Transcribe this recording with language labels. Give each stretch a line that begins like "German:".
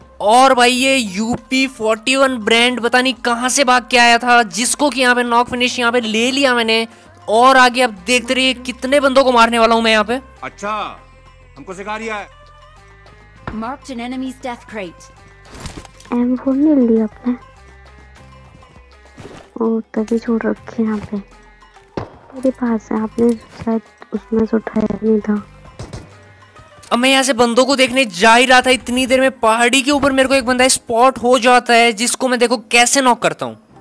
Hindi: और भाई ये UP41 ब्रांड पता नहीं कहां से भाग के आया था, जिसको कि यहाँ पे नॉक फिनिश यहाँ पे ले लिया मैंने। और आगे अब देखते रहिए कितने बंदों को मारने वाला हूँ मैं यहाँ पे। अच्छा हमको सिखा दिया है।
English: Marked an enemy's death crate.
Hindi: M4 ले लिया अपने। ओ तभी छोड़ रखे यहाँ पे मेरे पास है, आपने शायद उसमें से उठाया नहीं था। अब मैं यहाँ से बंदों को देखने जा ही रहा था, इतनी देर में पहाड़ी के ऊपर मेरे को एक बंदा स्पॉट हो जाता है, जिसको मैं देखो कैसे नॉक करता हूँ।